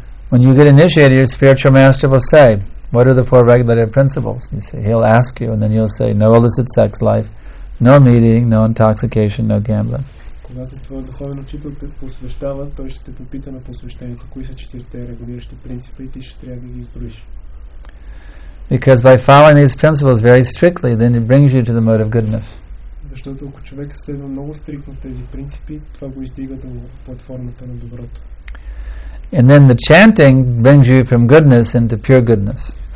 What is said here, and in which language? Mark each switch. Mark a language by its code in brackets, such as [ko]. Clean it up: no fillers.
[en] When you get initiated, your spiritual master will say, what are the four regulative principles? You say, he'll ask you, and then you'll say, no illicit sex life, no meeting, no intoxication, no gambling. [bg] Когато твой духовен учител те посвещава, той ще те попита на посвещението, кои са четирите регулиращи принципи и ти ще трябва да ги изброиш. [en] Because by following these principles very strictly, then it brings you to the mode of goodness. [bg] Защото ако човек следва много стриктно тези принципи, това го издига до платформата на доброто. [en] And then the chanting brings you from goodness into pure goodness.